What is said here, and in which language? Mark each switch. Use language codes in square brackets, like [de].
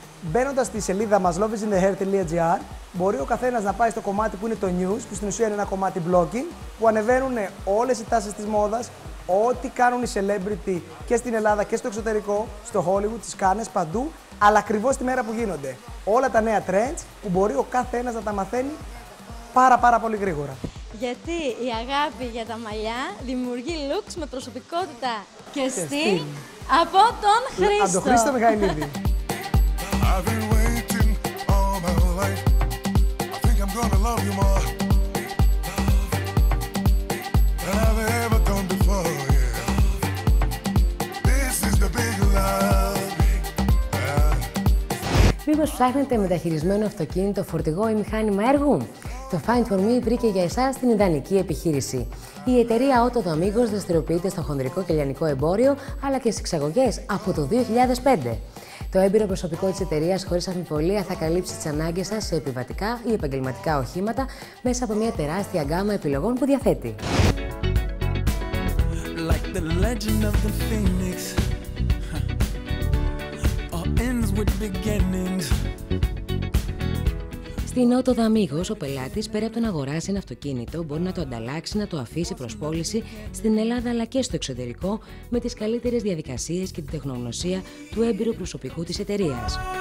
[el] Μπαίνοντας στη σελίδα μας loveisinthehair.gr, μπορεί ο καθένας να πάει στο κομμάτι που είναι το news, που στην ουσία είναι ένα κομμάτι blogging, που ανεβαίνουν όλες οι τάσεις της μόδας, ό,τι κάνουν οι celebrity και στην Ελλάδα και στο εξωτερικό, στο Hollywood, τις κάνες, παντού, αλλά ακριβώς τη μέρα που γίνονται. Όλα τα νέα trends που μπορεί ο καθένας να τα μαθαίνει πάρα πολύ γρήγορα. Γιατί η αγάπη για τα μαλλιά δημιουργεί looks με προσωπικότητα και στυλ από τον Χρήστο. Από τον Χρήστο Μιχαηλίδη. [en] I've been waiting all my life. I think I'm gonna love you more. Love than I've ever done before, yeah. This is the big love. [el] Μήπως ψάχνετε μεταχειρισμένο αυτοκίνητο, φορτηγό ή μηχάνημα έργου? Το Find4Me βρήκε για εσάς την ιδανική επιχείρηση. Η εταιρεία Auto Amigos δραστηριοποιείται στο χονδρικό και λιανικό εμπόριο αλλά και στις εξαγωγές από το 2005. Το έμπειρο προσωπικό της εταιρείας χωρίς αμφιβολία θα καλύψει τις ανάγκες σας σε επιβατικά ή επαγγελματικά οχήματα μέσα από μια τεράστια γκάμα επιλογών που διαθέτει. [en] Like the legend of the Phoenix, all ends with beginnings. [el] Στην Auto Amigos, ο πελάτης, πέρα από το να αγοράσει ένα αυτοκίνητο, μπορεί να το ανταλλάξει, να το αφήσει προς πώληση στην Ελλάδα αλλά και στο εξωτερικό, με τις καλύτερες διαδικασίες και την τεχνογνωσία του έμπειρου προσωπικού της εταιρείας.